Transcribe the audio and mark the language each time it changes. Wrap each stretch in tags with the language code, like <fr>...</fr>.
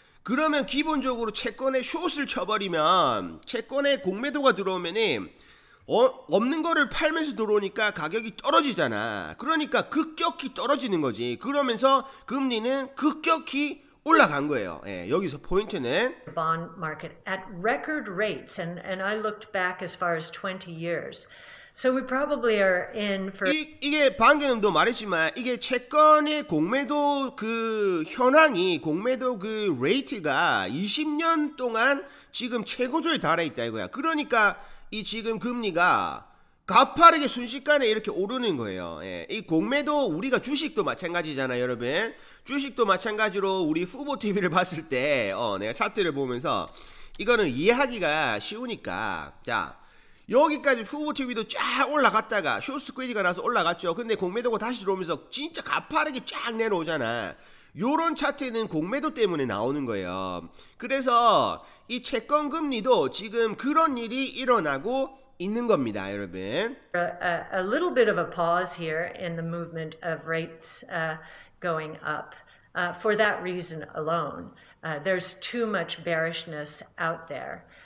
<ko>그러면 기본적으로 채권에 숏을 쳐버리면, 채권에 공매도가 들어오면은 없는 거를 팔면서 들어오니까 가격이 떨어지잖아. 그러니까 급격히 떨어지는 거지. 그러면서 금리는 급격히 올라간 거예요. 예, 여기서 포인트는</ko> <en>bond market at record rates and I looked back as far as 20 years. So we probably are in for</en> <ko>이게 방금도 말했지만 이게 채권의 공매도 그 현황이 공매도 그 레이트가 20년 동안 지금 최고조에 달해 있다 이거야. 그러니까 이 지금 금리가 가파르게 순식간에 이렇게 오르는 거예요. 예. 이 공매도, 우리가 주식도 마찬가지잖아, 여러분. 주식도 마찬가지로 우리 후보TV를 봤을 때, 내가 차트를 보면서 이거는 이해하기가 쉬우니까. 자, 여기까지 후보TV도 쫙 올라갔다가 숏스퀴즈가 나서 올라갔죠. 근데 공매도가 다시 들어오면서 진짜 가파르게 쫙 내려오잖아. 요런 차트는 공매도 때문에 나오는 거예요. 그래서 이 채권 금리도 지금 그런 일이 일어나고 있는 겁니다, 여러분.</ko> <en>A little bit of a pause here in the movement of rates going up. For that reason alone, there's too much bearishness out there.</en>